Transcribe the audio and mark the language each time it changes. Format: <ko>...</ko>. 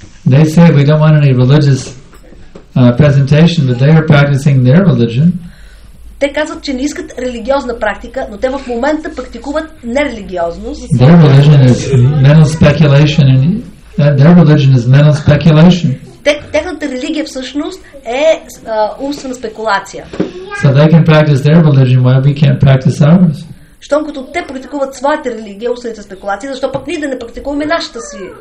<en>They say we don't want any religious presentation, but they are practicing their religion.</en> <bg>Те казват, че не искат религиозна практика, но те в момента практикуват нерелигиозност.</bg> <en>Their religion is mental speculation, and their religion is mental speculation.</en> <bg>Техната религия всъщност е умствена спекулация.</bg> <en>So they can practice their religion, while we can't practice ours.</en> <bg>Щом като те практикуват своята религия, усилите спекулации, защо пък ние да не практикуваме нашата си</bg>